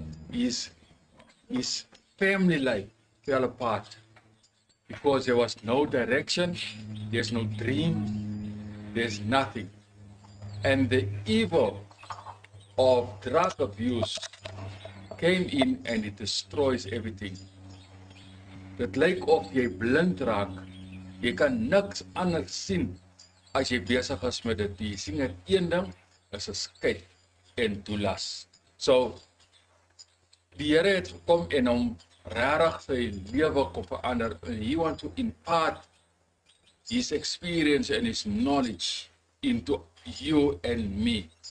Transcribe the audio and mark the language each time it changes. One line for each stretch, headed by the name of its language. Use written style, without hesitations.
English: His family life fell apart because there was no direction, there's no dream, there's nothing. And the evil of drug abuse came in and it destroys everything.
Afrikaans: Dit lyk of jy blind raak. Jy kan niks anders sien as jy besig is met dit. Jy sien net een ding, is 'n skyf en toelaat. So die Here het gekom en hom regtig sy lewe kom verander.
English: He want to impart his experience and his knowledge into you and me.